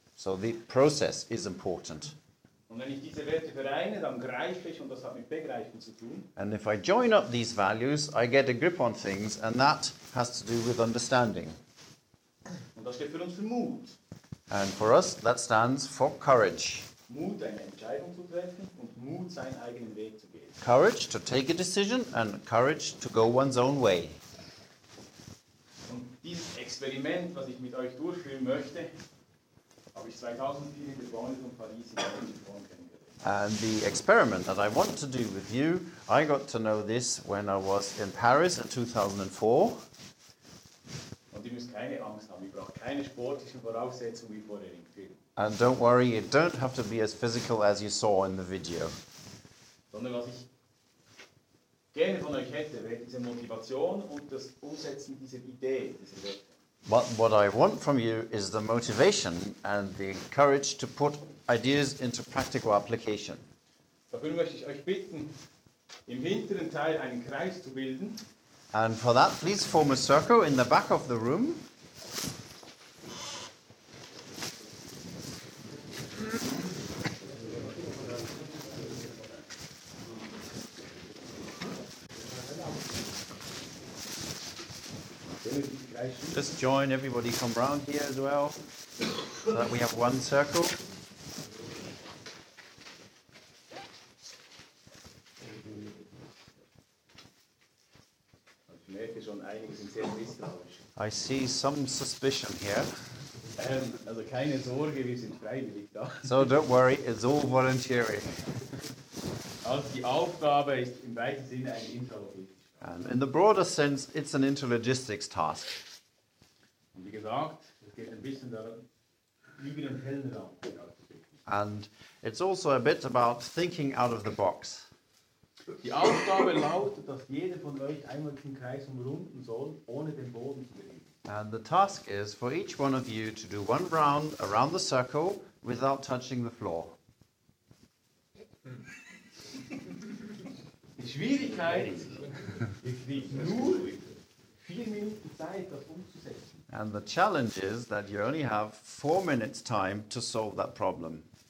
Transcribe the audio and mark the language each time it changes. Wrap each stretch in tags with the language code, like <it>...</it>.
<en>So the process is important.</en> <de>Und wenn ich diese Werte vereine, dann greife ich, und das hat mit Begreifen zu tun.</de> <en>And if I join up these values, I get a grip on things, and that has to do with understanding.</en> <de>Und das steht für uns für Mut.</de> <en>And for us, that stands for courage.</en> <de>Mut, eine Entscheidung zu treffen und Mut, seinen eigenen Weg zu gehen.</de> <en>Courage to take a decision and courage to go one's own way.</en> <de>Und dieses Experiment, was ich mit euch durchführen möchte, habe ich 2004 in der Bahnhof von Paris in Bonn kennengelernt.</de> <en>And the experiment that I want to do with you, I got to know this when I was in Paris in 2004.</en> <de>Und ihr müsst keine Angst haben, ihr braucht keine sportlichen Voraussetzungen wie vor Erinnerung.</de> <en>And don't worry, it don't have to be as physical as you saw in the video.</en> <de>Sondern was ich gerne von euch hätte, wäre diese Motivation und das Umsetzen dieser Idee, dieser Werte.</de> <en>But what I want from you is the motivation and the courage to put ideas into practical application.</en> <de>Dafür möchte ich euch bitten, im hinteren Teil einen Kreis zu bilden.</de> <en>And for that, please form a circle in the back of the room. Just join, everybody come round here as well, so that we have one circle. I see some suspicion here.</en> <de>Also keine Sorge, wir sind freiwillig da.</de> <en>So don't worry, it's all voluntary.</en> <de>Also die Aufgabe ist im weiten Sinne eine interlogistische.</de> <en>And in the broader sense, it's an interlogistics task.</en> <de>Und wie gesagt, es geht ein bisschen darum, über den Hellenraum hinauszudenken.</de> <en>And it's also a bit about thinking out of the box.</en> <de>Die Aufgabe lautet, dass jeder von euch einmal den Kreis umrunden soll, ohne den Boden zu berühren.</de> <en>And the task is for each one of you to do one round around the circle without touching the floor.</en> <de>Die Schwierigkeit ist, ihr kriegt nur 4 Minuten Zeit, das umzusetzen.</de> <en>And the challenge is that you only have 4 minutes time to solve that problem.</en>